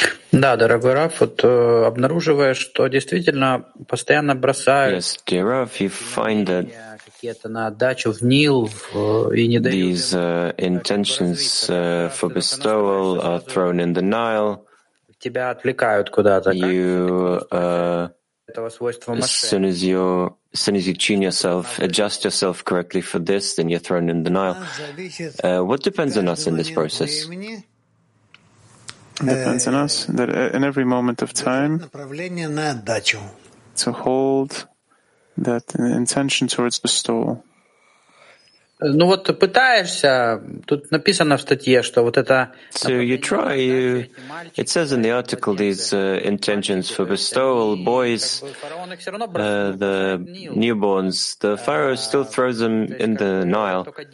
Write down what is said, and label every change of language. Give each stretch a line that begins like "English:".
Russian: Да, дорогой Раф, вот обнаруживаешь, что действительно постоянно бросаю.
English: Yes, dear Raf, you find that these intentions for bestowal are thrown in the Nile. You, as soon as you tune yourself, adjust yourself correctly for this, then you're thrown in the Nile. What depends on us in this process? Depends on us that in every moment of time to hold that intention towards bestowal.
Russian: Ну вот пытаешься, тут написано в статье, что вот это...
English: So you try, you, it says in the article these intentions for bestowal, boys, the newborns, the pharaoh still throws them in the Nile.